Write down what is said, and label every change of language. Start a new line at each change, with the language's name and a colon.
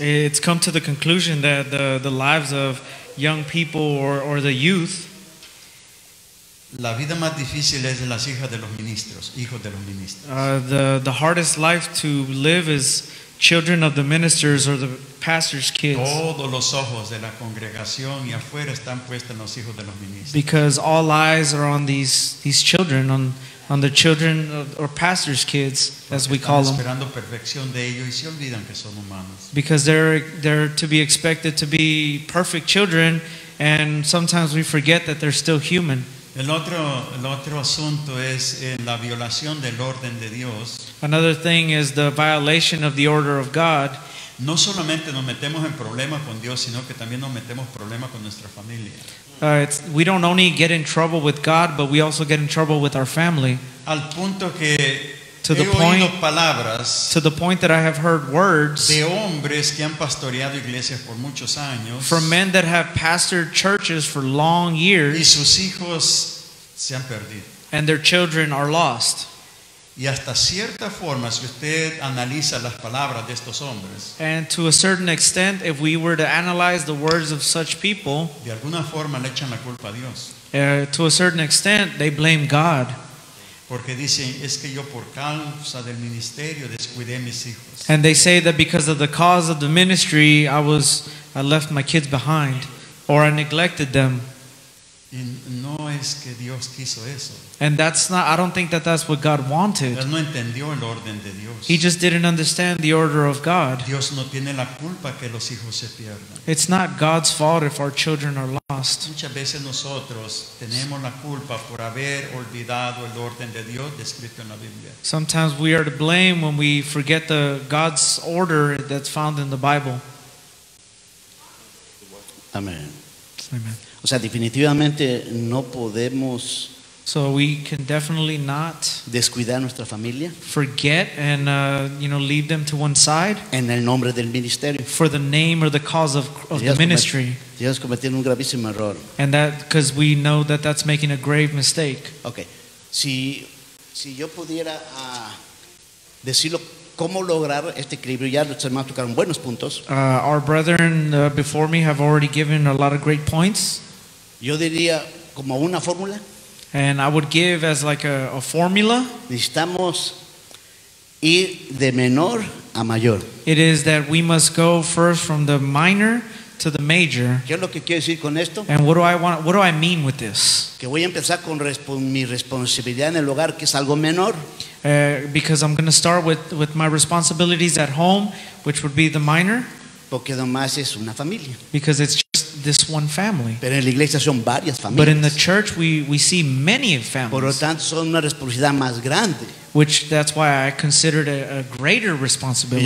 English: It's come to the conclusion that the lives of young people or the youth.
Spanish: La vida más difícil es las hijas de los ministros, hijos de los ministros.
English: The hardest life to live is children of the ministers or the pastor's kids.
Spanish: Todos los ojos de la congregación y afuera están puestos en los hijos de los ministros.
English: Because all eyes are on these children, on the children or pastor's kids, as we call them,
Spanish: esperando perfección de ellos y se olvidan que son humanos.
English: Because they're to be expected to be perfect children, and sometimes we forget that they're still human.
Spanish: El otro asunto es la violación del orden de Dios.
English: Another thing is the violation of the order of God.
Spanish: No solamente nos metemos en problemas con Dios, sino que también nos metemos problemas con nuestra familia.
English: We don't only get in trouble with God, but we also get in trouble with our family.
Spanish: Al punto que
English: to the point that I have heard words
Spanish: de hombres que han pastoreado iglesias por muchos años,
English: from men that have pastored churches for long years,
Spanish: y sus hijos se han perdido,
English: and their children are lost.
Spanish: Y hasta cierta forma, si usted analiza las palabras de estos hombres,
English: and to a certain extent, if we were to analyze the words of such people,
Spanish: de alguna forma le echan la culpa a Dios.
English: To a certain extent, they blame God.
Spanish: Porque dicen, es que yo por causa del ministerio descuidé mis hijos.
English: And they say that because of the cause of the ministry, I left my kids behind, or I neglected them.
Spanish: Y no es que Dios quiso eso.
English: And that's not, I don't think that that's what God wanted.
Spanish: Él no entendió el orden de Dios.
English: He just didn't understand the order of God.
Spanish: Dios no tiene la culpa que los hijos se pierdan.
English: It's not God's fault if our children are lost.
Spanish: Muchas veces nosotros tenemos la culpa por haber olvidado el orden de Dios descrito en la Biblia.
English: Sometimes we are to blame when we forget the God's order that's found in the Bible. Amen. Amen.
Spanish: O sea, definitivamente no podemos.
English: So we can definitely not
Spanish: descuidar nuestra familia,
English: forget and leave them to one side
Spanish: en el nombre del ministerio,
English: for the name or the cause of the ministry.
Spanish: Estamos cometiendo un gravísimo error.
English: And that, because we know that that's making a grave mistake. Okay.
Spanish: Si yo pudiera decirlo, cómo lograr este equilibrio, ya los hermanos tocaron buenos puntos.
English: Our brethren before me have already given a lot of great points.
Spanish: Yo diría como una fórmula.
English: And I would give as like a formula.
Spanish: Necesitamos ir de menor a mayor.
English: It is that we must go first from the minor to the major.
Spanish: ¿Qué es lo que quiero decir con esto?
English: And what do I mean with this?
Spanish: Que voy a empezar con mi responsabilidad en el hogar, que es algo menor.
English: Because I'm going to start with my responsibilities at home, which would be the minor.
Spanish: Porque nomás es una familia.
English: Because it's just this one family.
Spanish: Pero en la iglesia son varias familias.
English: But in the church we see many families.
Spanish: Por lo tanto, son una responsabilidad más grande.
English: Which that's why I consider it a greater responsibility.